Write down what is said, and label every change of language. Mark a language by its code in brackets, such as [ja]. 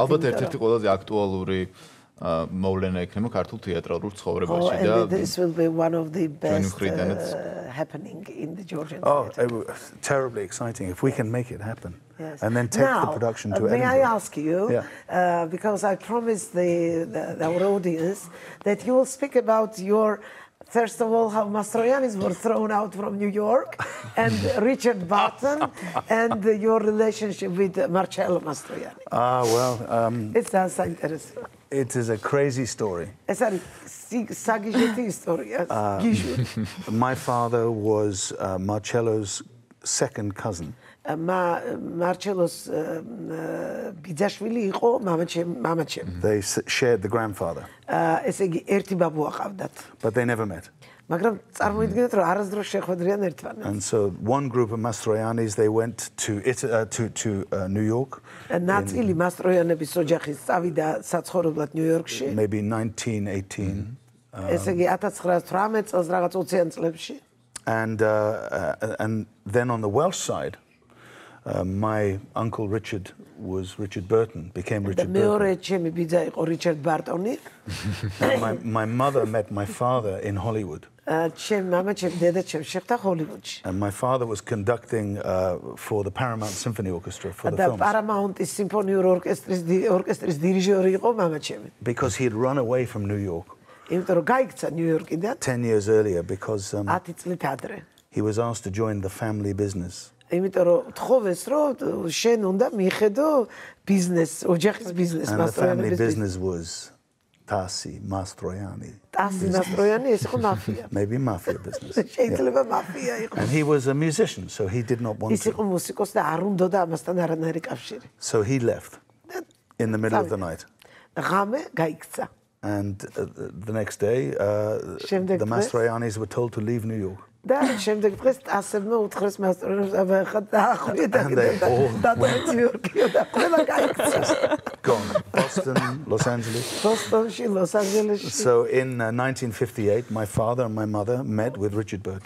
[ka] ალბათ ერთ-ერთი ყველაზე აქტუალური მოვლენა იქნება ქართულ თეატრალურ ცხოვრებაში და [en] This will be one of the best happening in the Georgian theater. Oh, terribly exciting if we can make it happen. Yes. And then take Now, the production to Edinburgh. May I ask you, because I promised the our audience that you will speak about your, first of all, how Mastroianni's were thrown out from New York and Richard Barton and your relationship with Marcello Mastroianni. Ah, well. It sounds so interesting. It is a crazy story. It's a sagishetti story, yes. My father was Marcello's second cousin. [ka] Marcello's ბიძაშვილი იყო მამაჩემ. [en] They shared the grandfather. [ka] ეს იგი ერთი ბაბუ აყავდათ. [en] But they never met. [ka] მაგრამ წარმოიდგინეთ რომ არასდროს შეხვედრიან ერთმანეთს. [en] And so one group of Mastroianni's they went to New York. [ka] ნატილი მასტროიანების ოჯახი წავიდა საცხოვრებლად ნიუ-იორკში. [en] Maybe 1918. [ka] ეს იგი 1918 წელს რაღაც 20-იან წლებში. [en] And then on the Welsh side my uncle Richard was Richard Burton became Richard Burton. [ka] მეორე ჩემი ბიძა იყო Richard Burton-ი. [en] My mother met my father in Hollywood. [ka] ჩემ მამაჩემ დედაჩემ შეხვდა ჰოლივუდში. [en] And my father was conducting for the Paramount Symphony Orchestra for the films. [ka] და Paramount-ის სიმფონიურ ორკესტრის დირიჟორი იყო მამაჩემი. [en] Because he had run away from New York. [ka] იმიტომ რომ გაიქცა ნიუ-იორკიდან [en] 10 years earlier because [ka] 10 წლით ადრე. [en] He was asked to join the family business. [ka] იმიტომ რომ თხოვეს რომ შენ უნდა მიხედო ბიზნეს, ოჯახის ბიზნეს მასტროიანის. Tassi Mastroianni. Tassi Mastroianni ეს იყო მაფია. [en] Maybe mafia business. [ka] შეიძლება მაფია იყოს. [en] And he was a musician so he did not want to. [ka] ის იყო მუსიკოსი და არ უნდოდა ამასთან არანაირი კავშირი. [en] So he left in the middle of the night. [ka] ღამე გაიქცა. [en] And the next day the Mastroiannis were told to leave New York. [ka] და შემდეგ დღეს ასებმა უთხრეს მასტროებს აბა ხა დაახვიეთ და და ნიუ-იორკი და ყველა გაიქცეს. [en] Gone. Boston, Los Angeles. [ka] Boston-ში, Los Angeles-ში. [en] So in 1958 my father and my mother met with Richard Burton.